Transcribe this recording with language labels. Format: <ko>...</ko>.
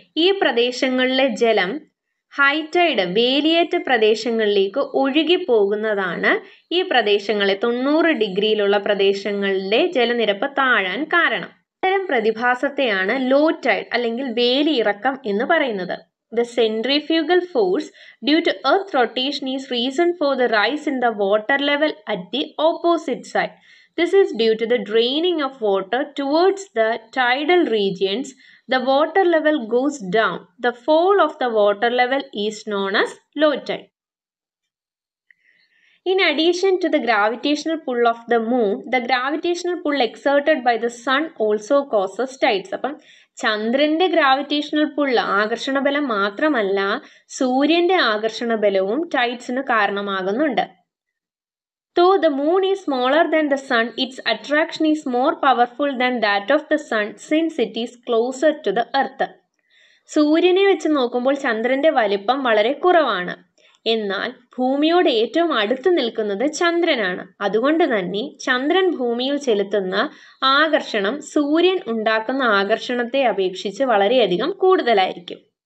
<ml>ഈ പ്രദേശങ്ങളിലെ ജലം ഹൈ ടൈഡ് വേലിയേറ്റ പ്രദേശങ്ങളിലേക്ക് ഒഴുകി പോകുന്നതാണ് ഈ പ്രദേശങ്ങളെ 90 ഡിഗ്രിയിലുള്ള പ്രദേശങ്ങളിലെ ജലനിരപ്പ് താഴാൻ കാരണം. ഇത്തരം പ്രതിഭാസത്തെയാണ് ലോ ടൈഡ് അല്ലെങ്കിൽ വേലിയിറക്കം എന്ന് പറയുന്നത്.</ml> <en>The centrifugal force due to earth rotation is reason for the rise in the water level at the opposite side. This is due to the draining of water towards the tidal regions. The water level goes down. The fall of the water level is known as low tide. In addition to the gravitational pull of the moon, the gravitational pull exerted by the sun also causes tides.</en> <ml>അപ്പം ചന്ദ്രന്റെ gravitational പുള്ള് ആകർഷണ ബലം മാത്രമല്ല, സൂര്യന്റെ ആകർഷണ ബലവും ടൈഡ്സിന് കാരണമാകുന്നുണ്ട്.</ml> <en>Though the moon is smaller than the sun, its attraction is more powerful than that of the sun since it is closer to the earth.</en> <ml>സൂര്യനെ വെച്ച് നോക്കുമ്പോൾ ചന്ദ്രന്റെ വലിപ്പം വളരെ കുറവാണ്. എന്നാൽ ഭൂമിയോട് ഏറ്റവും അടുത്ത് നിൽക്കുന്നത് ചന്ദ്രനാണ്. അതുകൊണ്ട് തന്നെ ചന്ദ്രൻ ഭൂമിയിൽ ചെലുത്തുന്ന ആകർഷണം സൂര്യൻ ഉണ്ടാക്കുന്ന ആകർഷണത്തെ അപേക്ഷിച്ച് വളരെയധികം കൂടുതലായിരിക്കും.</ml>